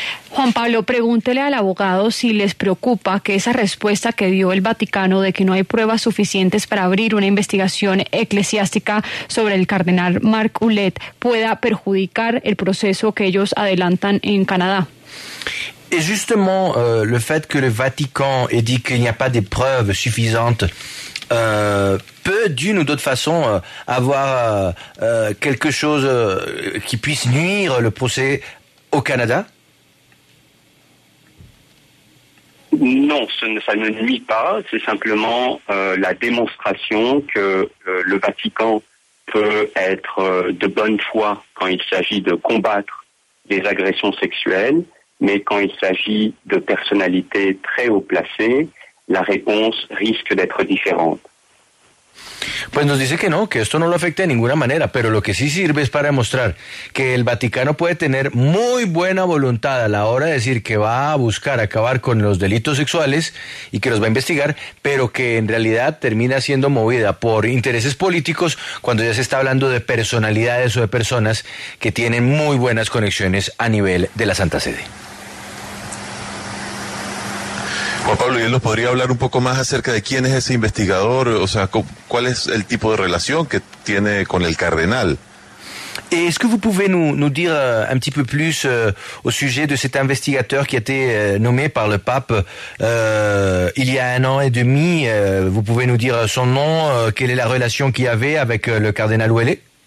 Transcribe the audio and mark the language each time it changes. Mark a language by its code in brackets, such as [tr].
[es] Juan Pablo, pregúntele al abogado si les preocupa que esa respuesta que dio el Vaticano de que no hay pruebas suficientes para abrir una investigación eclesiástica sobre el cardenal Marc Ouellet pueda perjudicar el proceso que ellos adelantan en Canadá. [fr] Et justement, le fait que le Vatican ait dit qu'il n'y a pas de preuves suffisantes peut d'une ou d'autre façon avoir quelque chose qui puisse nuire le procès au Canada. Non, ça ne nuit pas. C'est simplement la démonstration que le Vatican peut être de bonne foi quand il s'agit de combattre des agressions sexuelles. Mais quand il s'agit de personnalités très haut placées, la réponse risque d'être différente. [es] Pues nos dice que no, que esto no lo afecta de ninguna manera, pero lo que sí sirve es para demostrar que el Vaticano puede tener muy buena voluntad a la hora de decir que va a buscar acabar con los delitos sexuales y que los va a investigar, pero que en realidad termina siendo movida por intereses políticos cuando ya se está hablando de personalidades o de personas que tienen muy buenas conexiones a nivel de la Santa Sede. Juan Pablo, ¿y él nos podría hablar un poco más acerca de quién es ese investigador? O sea, ¿cuál es el tipo de relación que tiene con el cardenal? [fr] ¿Es que vous pouvez nous dire un petit peu plus au sujet de cet investigateur qui a été nommé par le pape il y a un an et demi? ¿Vous pouvez nous dire son nom? ¿Quelle est la relation qu'il avait avec le cardenal Ouellet?